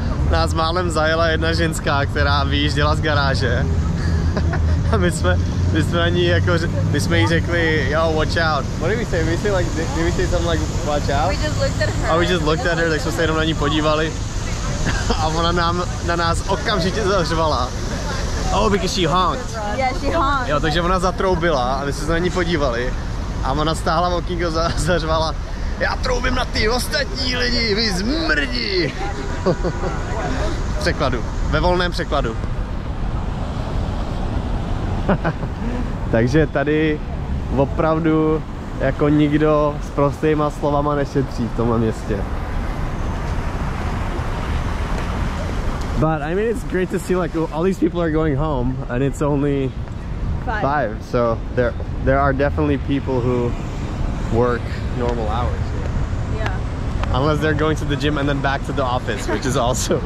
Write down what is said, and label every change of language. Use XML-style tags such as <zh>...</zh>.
<cs>Nás málem zajela jedna ženská, která vyjížděla z garáže. A my jsme na ní jako, my jsme jí řekli,</cs> <en>yo, watch out. What did we say? Did we say something like, watch out? We just looked at her.</en> <cs>A</cs> <en>we just looked at her,</en> <cs>tak jsme se jenom na ní podívali. A ona nám, na nás okamžitě zařvala.</cs> <en>Oh, because she honked. Yeah, she honked.</en> <cs>Jo, takže ona zatroubila a my jsme se na ní podívali. A ona stáhla okýnko, zařvala. Já troubím na ty ostatní lidi, vy zmrdí. Překladu, ve volném překladu. Takže tady opravdu jako nikdo s prostýma slovama nešetří v tomhle městě.</cs> <en>But I mean, it's great to see like all these people are going home and it's only five. So there are definitely people who work normal hours. Yeah. Unless they're going to the gym and then back to the office, which is also</en>